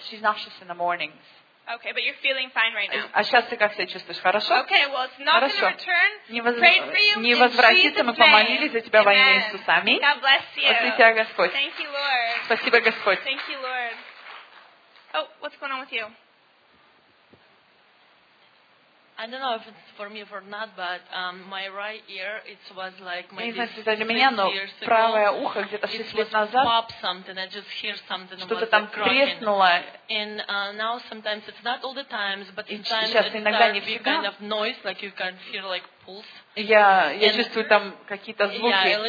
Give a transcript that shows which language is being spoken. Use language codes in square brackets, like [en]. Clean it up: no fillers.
[en] She's nauseous in the mornings. Okay, but you're feeling fine right now. [ru] А сейчас ты как себя чувствуешь? Хорошо? [en] Okay, well, it's not [ru] хорошо. [en] Return. [ru] Не возвратится, мы помолились за тебя во имя Иисуса. Аминь. [en] God bless you. [ru] Благослови тебя, Господь. [en] Thank you, Lord. [ru] Спасибо, Господь. [en] Thank you, Lord. Oh, what's going on with you? I don't know if it's for me or not, but my right ear, it was like maybe 6 years ago, it just popped something, I just hear something, it was like crying. And now sometimes, it's not all the times, but sometimes it starts to be kind of noise, like you can hear like pulse. [ru] Я чувствую там какие-то звуки.